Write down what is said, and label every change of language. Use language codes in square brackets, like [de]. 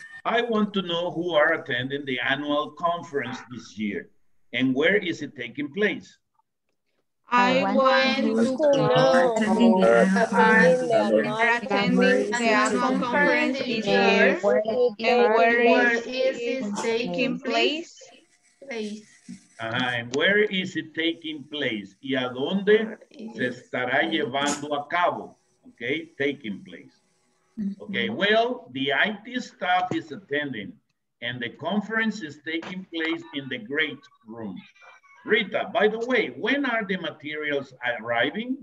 [en] I want to know who are attending the annual conference this year and where is it taking place? I want to know who are attending the annual conference this year and where is it taking place? And where is it taking place? [es] Y a donde se estará llevando a cabo? [en] Okay, taking place. Okay, well, the IT staff is attending and the conference is taking place in the great room. Rita, by the way, when are the materials arriving?